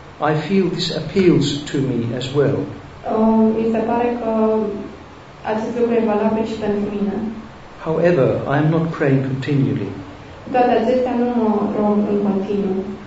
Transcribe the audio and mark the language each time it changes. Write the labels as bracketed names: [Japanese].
[English] I feel this appeals to me as well. [Romanian] Mi se pare că acest lucru e valabil și pentru mine. [English] However, I am not praying continually. [Romanian] Toate acestea nu mă rog în continuu.